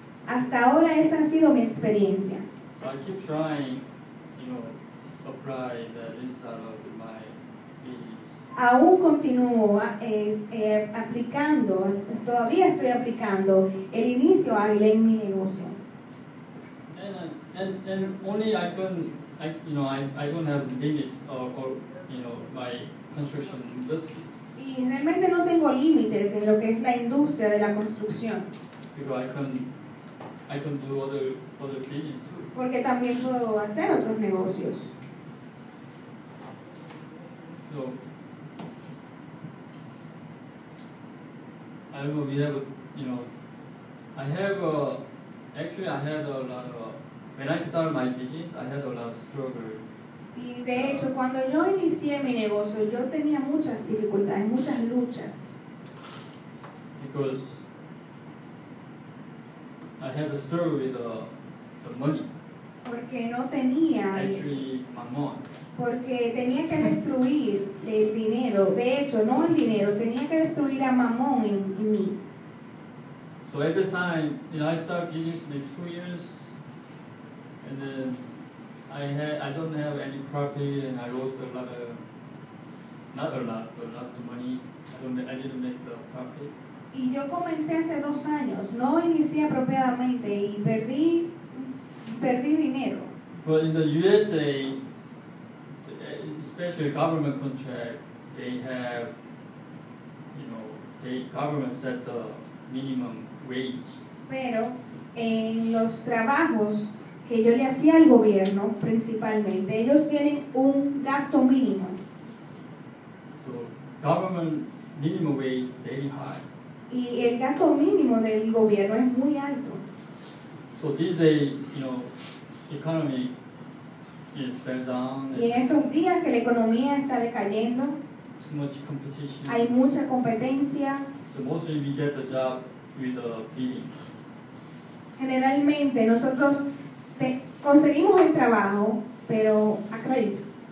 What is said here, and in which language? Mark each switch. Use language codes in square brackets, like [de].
[es] Hasta ahora esa ha sido mi experiencia. [en] So I keep trying, you know, apply the Lean Startup in my business. [es] Aún continúo aplicando, todavía estoy aplicando el inicio ágil en mi negocio. [en] And only I don't have limits or my construction industry. [es] Y realmente no tengo límites en lo que es la industria de la construcción. [en] Because I can do other business too. [es] Porque también puedo hacer otros negocios. [en] So, I don't know, we have, you know, I have, actually I had a lot of, when I started my business, I had a lot of struggle. [es] Y de hecho, cuando yo inicié mi negocio, yo tenía muchas dificultades, muchas luchas. [en] Because I had a struggle with the money. [es] Porque no tenía. [en] Actually, my mom. [es] Porque tenía que destruir el dinero, de hecho, no el dinero, tenía que destruir a Mamón en mí. [en] So at the time, you know, I started business in 2 years, and then I don't have any property, and I lost a lot of, not a lot, but lost the money, I didn't make the profit. [es] Y yo comencé hace 2 años, no inicié apropiadamente, y perdí dinero. [en] But in the USA, especially government contract, they have, you know, the government set the minimum wage. [es] Pero en los trabajos que yo le hacía al gobierno, principalmente, ellos tienen un gasto mínimo. [en] So government minimum wage very high. [es] Y el gasto mínimo del gobierno es muy alto. [en] So these days, you know, economy. Yes, fell down. [es] Y en estos días que la economía está decayendo, [en] too much competition. [es] Hay mucha competencia. [en] So mostly we get the job with a billing. [es] Generalmente nosotros conseguimos el trabajo, pero a crédito.